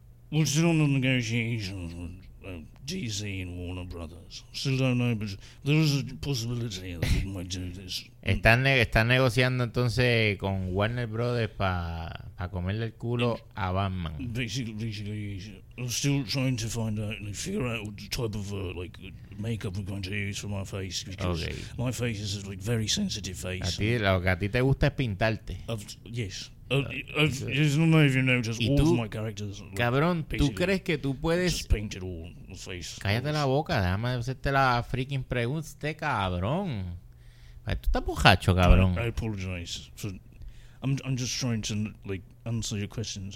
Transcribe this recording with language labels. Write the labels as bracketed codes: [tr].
[en] We're still under negotiations with DC and Warner Brothers. Still don't know, but there is a possibility that we might do this. [es] Están negociando entonces con Warner Brothers para comerle el culo a Batman. [en] Basically, I'm still trying to find out and figure out what type of makeup we're going to use for my face. Because okay, my face is a very sensitive face. [es] A ti, lo que a ti te gusta es pintarte. [en] Yes. I don't know if you know, just all of my characters. [es] Cabrón, ¿tú crees que tú puedes? [en] Just painted all the face. [es] Cállate la boca, déjame hacerte la freaking pregunta, este cabrón. Tú estás bojacho, cabrón. [en] I apologize. I'm just trying to answer your questions.